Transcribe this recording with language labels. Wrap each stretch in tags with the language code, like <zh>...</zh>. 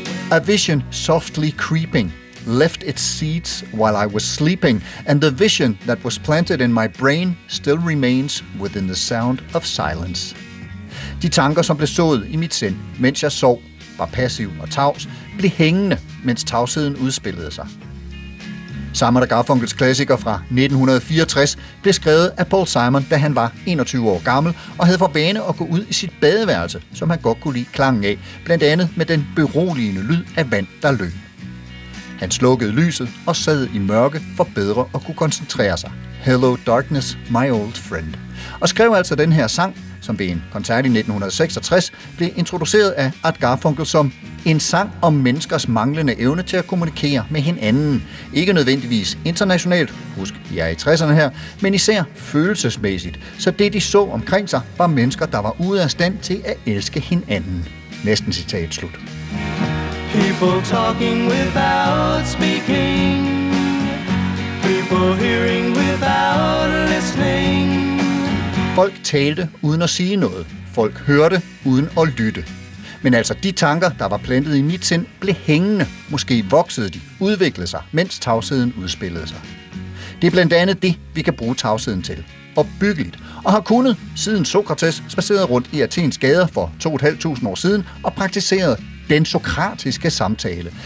<en>A vision softly creeping left its seeds while I was sleeping, and the vision that was planted in my brain still remains within the sound of silence.</en> <da>De tanker, som blev sået i mit sind, mens jeg sov, var passiv og tavs, blev hængende, mens tavsheden udspillede sig. Simon & Garfunkels klassiker fra 1964 blev skrevet af Paul Simon, da han var 21 år gammel og havde for vane at gå ud i sit badeværelse, som han godt kunne lide klangen af, blandt andet med den beroligende lyd af vand, der løb. Han slukkede lyset og sad i mørke for bedre at kunne koncentrere sig.</da> <en>Hello darkness, my old friend.</en> <da>Og skrev altså den her sang, som ved en koncert i 1966 blev introduceret af Art Garfunkel som en sang om menneskers manglende evne til at kommunikere med hinanden. Ikke nødvendigvis internationalt, husk, vi er i 60'erne her, men især følelsesmæssigt. Så det, de så omkring sig, var mennesker, der var ude af stand til at elske hinanden. Næsten citat slut.</da> <en>People talking without speaking. People hearing without listening.</en> <da>Folk talte uden at sige noget. Folk hørte uden at lytte. Men altså de tanker, der var plantet i mit sind, blev hængende. Måske voksede de, udviklede sig, mens tavsheden udspillede sig. Det er blandt andet det, vi kan bruge tavsheden til. Opbyggeligt. Og har kunnet, siden Sokrates spacerede rundt i Athens gader for 2.500 år siden og praktiserede den sokratiske samtale.</da>